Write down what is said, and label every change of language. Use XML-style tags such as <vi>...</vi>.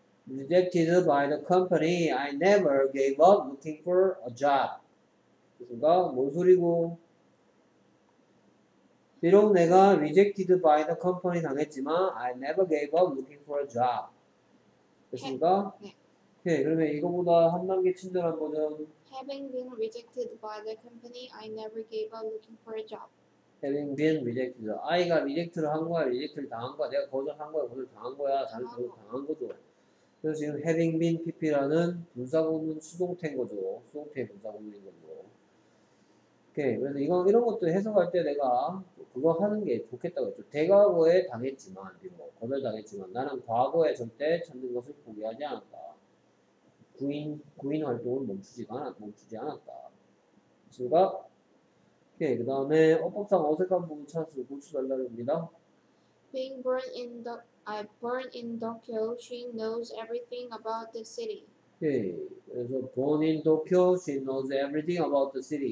<en>Rejected by the company, I never gave up looking for a job.</en> <ko>그니까 뭔 소리고? 비록 내가</ko> <en>rejected by the company</en> <ko>당했지만</ko> <en>I never gave up looking for a job.</en> <ko>됐습니까? 네. 오케이. 그러면 이거보다 한 단계 친절한 버전.</ko> <en>Having been rejected by the company, I never gave up looking for a job.</en> <ko>Having been rejected. 아이가 reject를 한 거야, reject를 당한 거야, 내가 거절한 거야, 거절 당한 거야, 잘못 당한 거죠. 그래서 지금 having been PP라는 분사구문 수동태인 거죠. 수동태 분사구문인 거죠. 오케이. 그래서 이거 이런 것도 해석할 때 내가 그거 하는 게 좋겠다고 했죠. 대과거에 당했지만, 거절당했지만 나는 과거에 절대 찾는 것을 포기하지 않았다. 구인 활동을 멈추지 않았다. 그니까 오케이. 그 다음에 어법상 어색한 부분 찾아서 고쳐달라고 합니다.</ko> <en>Being born in Tokyo, she knows everything about the city.</en> <ko>오케이. 그래서</ko> <en>born in Tokyo, she knows everything about the city.</en>